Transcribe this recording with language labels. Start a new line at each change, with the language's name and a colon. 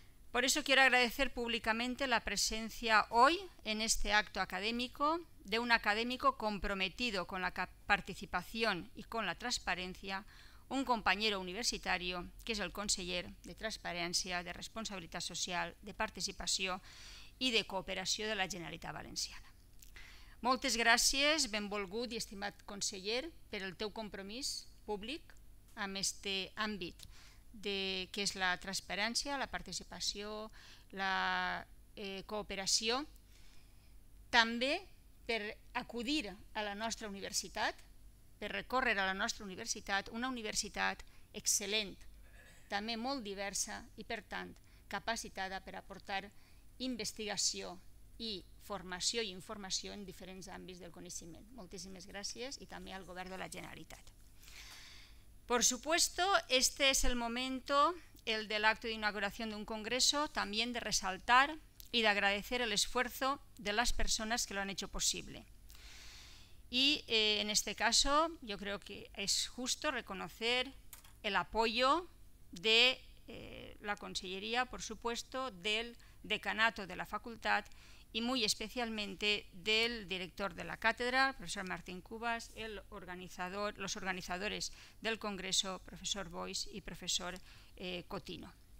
Spanish: Por eso quiero agradecer públicamente la presencia hoy en este acto académico de un académico comprometido con la participación y con la transparencia, un compañero universitario que es el conseller de Transparència, de Responsabilitat Social, de Participació i de Cooperació de la Generalitat Valenciana.
Catalan: Moltes gràcies, benvolgut i estimat conseller, per el teu compromís públic amb aquest àmbit de què és la transparència, la participació, la cooperació, també per acudir a la nostra universitat, per recórrer a la nostra universitat, una universitat excel·lent, també molt diversa i, per tant, capacitada per aportar investigació i formació i informació en diferents àmbits del coneixement. Moltíssimes gràcies i també al Govern de la Generalitat.
Spanish: Por supuesto, este es el momento, el del acto de inauguración de un congreso, también de resaltar y de agradecer el esfuerzo de las personas que lo han hecho posible. Y en este caso yo creo que es justo reconocer el apoyo de la Consellería, por supuesto, del decanato de la facultad y muy especialmente del director de la cátedra, profesor Martín Cubas, los organizadores del congreso, profesor Bois y profesor Cotino.